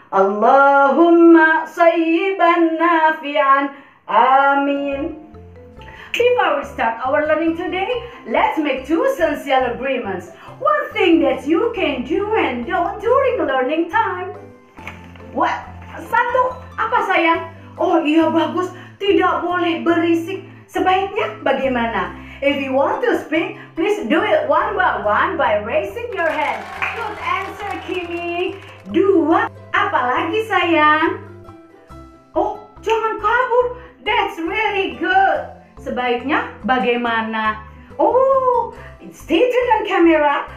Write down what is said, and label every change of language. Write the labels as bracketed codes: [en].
[ar] Allahumma sayyiban nafian. [en] Amin. Before we start our learning today, let's make two essential agreements. One thing that you can do and don't during learning time. What? [id] Satu, apa sayang? Oh iya bagus, tidak boleh berisik. Sebaiknya bagaimana? [en] If you want to speak, please do it one by one by raising your hand. Good answer, [id] Kimi. Dua, apa lagi sayang? Oh, jangan kabur. [en] That's really good. [id] Sebaiknya bagaimana? [en] Oh, it's teacher on camera.